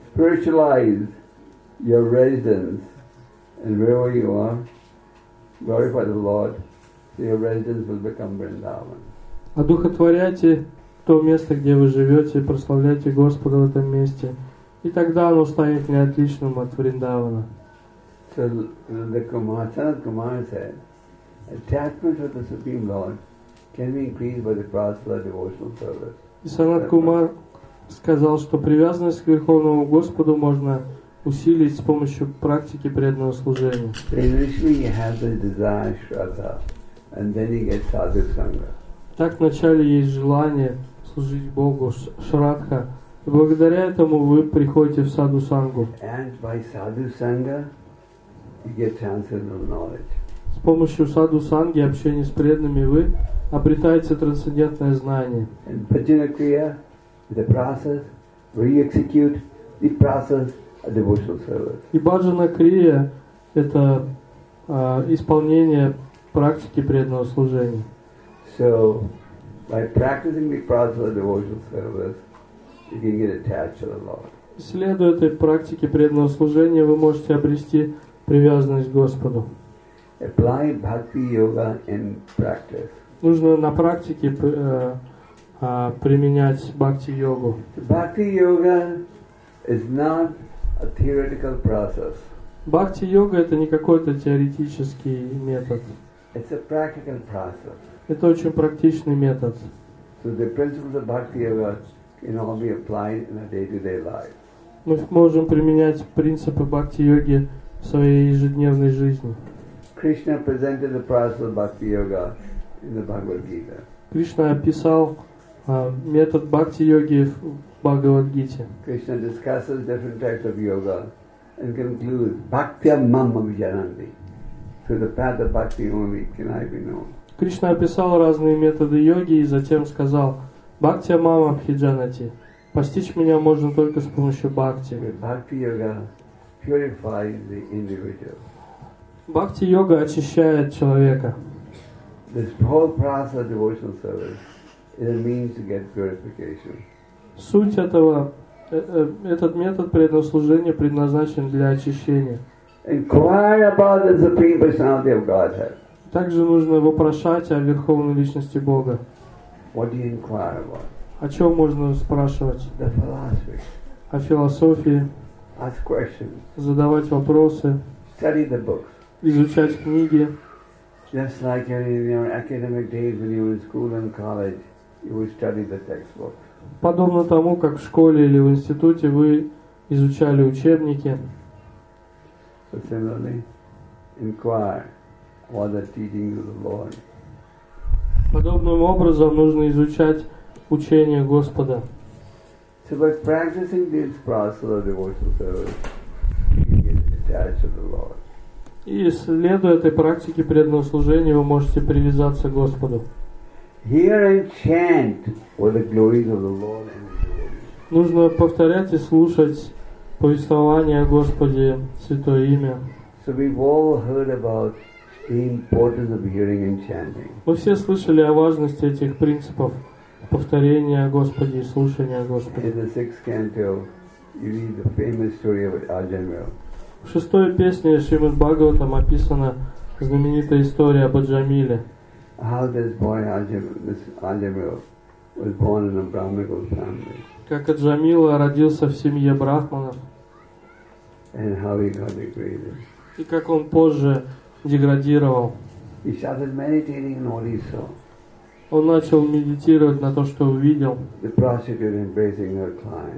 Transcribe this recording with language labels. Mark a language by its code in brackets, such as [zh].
[en] Spiritualize your residence and wherever you are, glorify the Lord. Your residence will become Vrindavan. [ru] Одухотворяйте то место, где вы живете, прославляйте Господа в этом месте, и тогда оно станет неотличным от Вриндавана. [en] So the Kumar said, attachment to the Supreme Lord can be increased by the process of devotional service. [ru] И Санат Кумар сказал, что привязанность к Верховному Господу можно усилить с помощью практики преданного служения. [en] Initially, you have the desire, Shraddha. and then you get sadhu sangha. [ru] Так вначале есть желание служить Богу, шрадха. И благодаря этому вы приходите в саду сангу. [en] And by sadhu sangha, you get transcendental knowledge. [ru] С помощью саду санги, общения с преданными, вы обретаете трансцендентное знание. [en] And bhajana kriya, the process, re-execute the process of devotional service. [ru] И bhajana kriya это исполнение практики преданного служения. [en] So, by practicing the process of devotional service, you can get attached to the Lord. [ru] Следуя этой практике преданного служения, вы можете обрести привязанность к Господу. [en] Apply bhakti yoga in practice. [ru] Нужно на практике применять бхакти йогу. [en] Bhakti yoga is not a theoretical process. [ru] Бхакти йога это не какой-то теоретический метод. [en] It's a practical process. [ru] Это очень практичный метод. [en] So the principles of bhakti yoga can all be applied in a day-to-day life. [ru] Мы можем применять принципы бхакти йоги в своей ежедневной жизни. [en] Krishna presented the process of bhakti yoga in the Bhagavad Gita. [ru] Кришна описал метод бхакти йоги в Бхагавад Гите. [en] Krishna discusses different types of yoga and concludes [sa] bhaktya mam abhijananti. [en] Through the path of bhakti only can I be known. [ru] Кришна описал разные методы йоги и затем сказал «Бхакти мам абхиджанати». Постичь меня можно только с помощью бхакти. [en] Бхакти-йога purifies the individual. [ru] Бхакти-йога очищает человека. [en] This whole process of devotional service is a means to get purification. [ru] Суть этого, этот метод преданного служения предназначен для очищения. [en] Inquire about the Supreme Personality of Godhead. [ru] Также нужно вопрошать о Верховной Личности Бога. [en] What do you inquire about? [ru] О чем можно спрашивать? [en] The philosophy. [ru] О философии. [en] Ask questions. [ru] Задавать вопросы. [en] Study the books. [ru] Изучать книги. [en] Just like in your academic days when you were in school and college, you would study the textbooks. [ru] Подобно тому, как в школе или в институте вы изучали учебники. [en] So similarly, inquire. What are teachings of the Lord? [ru] Подобным образом нужно изучать учения Господа. [en] So by practicing this process of devotional service, you get attached to the Lord. [ru] И следуя этой практике преданного служения, вы можете привязаться к Господу. [en] Hear and chant for the glories of the Lord and His glory. [ru] Нужно повторять и слушать повествование о Господе, Святое Имя. [en] So we've all heard about the importance of hearing and chanting. [ru] Мы все слышали о важности этих принципов повторения о Господе и слушания о Господе. [en] In the sixth canto, you read the famous story of Arjuna Mill. [ru] В шестой песне Шримад Бхагаватам описана знаменитая история об Аджамиле. [en] How this boy Arjuna Mill was born in a Brahmical family. [ru] Как Аджамила родился в семье брахманов. [en] And how he got degraded. [ru] И как он позже деградировал. [en] He started meditating on what he saw. [ru] Он начал медитировать на то, что увидел. [en] The prostitute embracing her client.